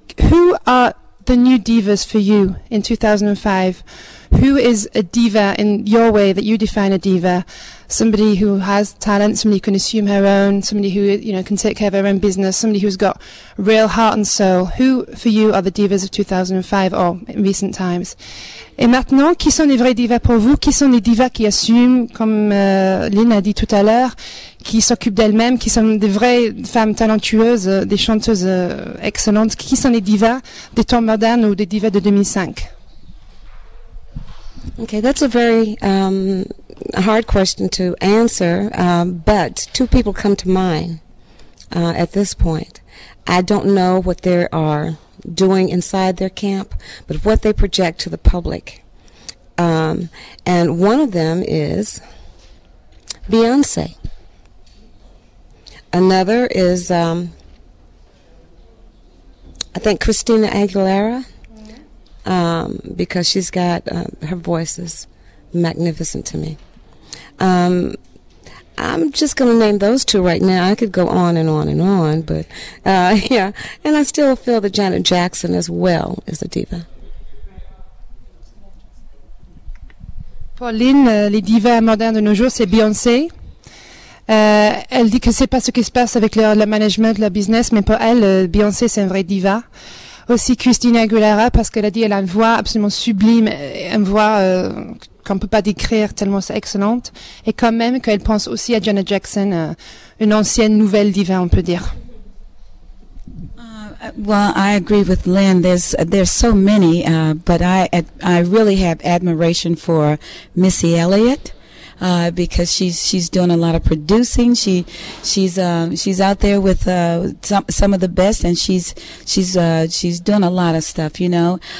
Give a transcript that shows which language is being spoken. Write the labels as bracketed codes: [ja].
[en] Who are the new divas for you in 2005? Who is a diva in your way that you define a diva? Somebody who has talent, somebody who can assume her own, somebody who, you know, can take care of her own business, somebody who's got real heart and soul. Who, for you, are the divas of 2005 or in recent times? [fr] Et maintenant, qui sont les vraies divas pour vous? Qui sont les divas qui assument, comme Lynn a dit tout à l'heure, qui s'occupent d'elles-mêmes, qui sont des vraies femmes talentueuses, des chanteuses excellentes? Qui sont les divas des temps modernes ou des divas de 2005? [en] Okay, that's a very hard question to answer, but two people come to mind at this point. I don't know what they are doing inside their camp, but what they project to the public. And one of them is Beyoncé. Another is, I think, Christina Aguilera. Because she's got her voice is magnificent to me. I'm just going to name those two right now. I could go on and on and on, but yeah. And I still feel that Janet Jackson as well is a diva. [fr] Pauline, les divas modernes de nos jours, c'est Beyoncé. Elle dit que c'est pas ce qui se passe avec le management, le business, mais pour elle, Beyoncé, c'est une vraie diva. Aussi Christina Aguilera, parce qu'elle a dit qu'elle a une voix absolument sublime, une voix qu'on ne peut pas décrire tellement c'est excellente. Et quand même qu'elle pense aussi à Janet Jackson, une ancienne nouvelle diva, on peut dire. [en] Well, I agree with Lynn. There's so many, but I really have admiration for Missy Elliott. Because she's doing a lot of producing. She's out there with some of the best, and she's doing a lot of stuff, you know.